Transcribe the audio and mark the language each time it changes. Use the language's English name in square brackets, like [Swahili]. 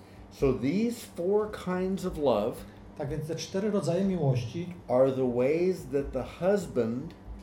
[English] So these four kinds of love, [Polish] tak więc te cztery rodzaje miłości, [English] are the ways that the husband,